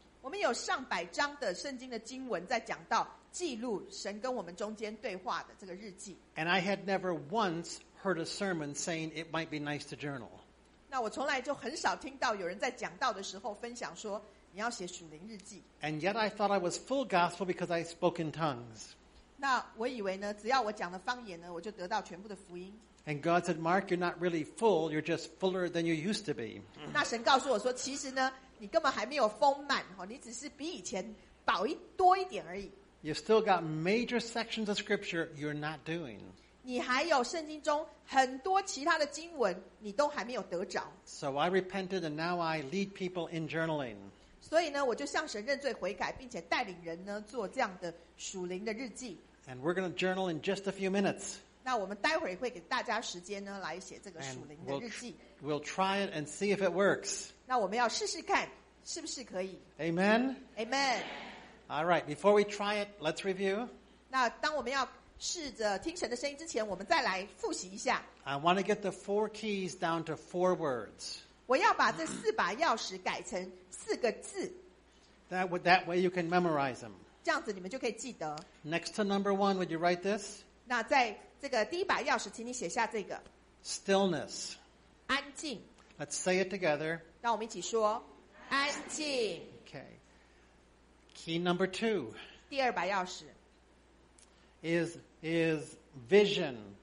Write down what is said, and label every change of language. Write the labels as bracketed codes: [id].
[zh] 我们有上百章的圣经的经文在讲到记录神跟我们中间对话的这个日记。 [en] And I had never once heard a sermon saying it might be nice to journal. [zh] 那我从来就很少听到有人在讲道的时候分享说你要写属灵日记。 [en] And yet I thought I was full gospel because I spoke in tongues. [zh] 那我以为呢，只要我讲了方言呢，我就得到全部的福音。 [en] And God said, Mark, you're not really full, you're just fuller than you used to be. [zh] 那神告诉我说，其实呢，你根本还没有丰满，你只是比以前饱一多一点而已。 [en] You've still got major sections of scripture you're not doing. [zh] 你还有圣经中很多其他的经文，你都还没有得着。 [en] So I repented and now I lead people in journaling. [zh] 所以呢，我就向神认罪悔改，并且带领人呢，做这样的属灵的日记。 [en] And we're going to journal in just a few minutes. [zh] 那我们待会儿会给大家时间呢，来写这个属灵的日记。 [en] We'll try it and see if it works. [zh] 那我们要试试看，是不是可以 [en] ？Amen. Amen. All right. Before we try it, let's review. [zh] 那当我们要试着听神的声音之前，我们再来复习一下。 [en] I want to get the four keys down to four words. [zh] 我要把这四把钥匙改成四个字。 [en] That way you can memorize them. [zh] 这样子你们就可以记得。 [en] Next to number one, would you write this? [zh] 那在这个第一把钥匙，请你写下这个。 [en] Stillness， [zh] 安静。 [en] Let's say it together。 [zh] 让我们一起说，安静。 [en] Okay。 Key number two。 [zh] 第二把钥匙。 [en] Is vision。